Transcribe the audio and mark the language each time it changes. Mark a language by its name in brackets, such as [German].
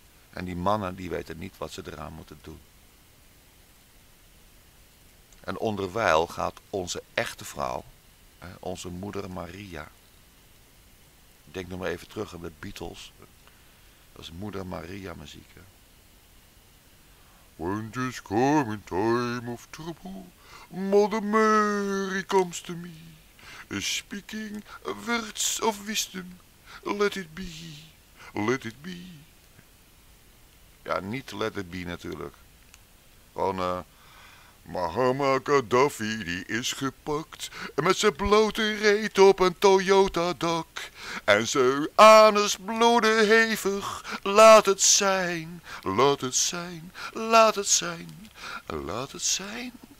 [Dutch] En die mannen die weten niet wat ze eraan moeten doen. En onderwijl gaat onze echte vrouw, onze moeder Maria. Denk nog maar even terug aan de Beatles. Dat is moeder Maria muziek. Hè. [English] When there's coming time of trouble, Mother Mary comes to me, speaking words of wisdom, let it be, let it be. [Dutch] Ja, niet [English] let it be [Dutch] natuurlijk. Gewoon, Mahatma Gaddafi die is gepakt, met zijn blote reet op een Toyota dak, en zijn anus bloedde hevig, laat het zijn, laat het zijn, laat het zijn, laat het zijn.